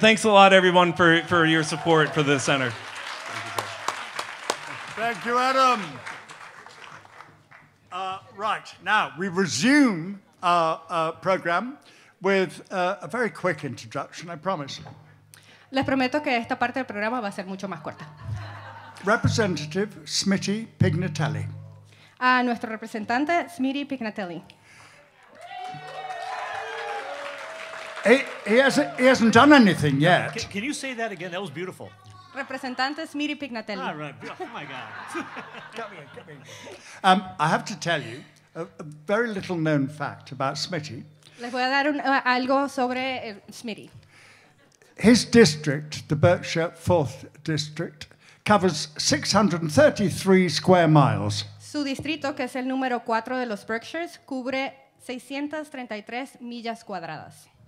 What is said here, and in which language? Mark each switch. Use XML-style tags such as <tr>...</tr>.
<en>Thanks a lot, everyone, for your support for the center. Thank you, Adam. Right, now we resume our program with a very quick introduction, I promise.</en> <es>Les prometo que esta parte del programa va a ser mucho más corta.</es> <en>Representative Smitty Pignatelli.</en> <es>A nuestro representante, Smitty Pignatelli.</es> <en>He hasn't done anything yet. No, can you say that again? That was beautiful.</en> <es>Representante Smitty Pignatelli.</es> <en>All right. Oh, my God. Come here. I have to tell you a very little known fact about Smitty.</en> <es>Les voy a dar algo sobre Smitty.</es> <en>His district, the Berkshire 4th District, covers 633 square miles.</en> <es>Su distrito, que es el número 4 de los Berkshires, cubre 633 millas cuadradas.</es>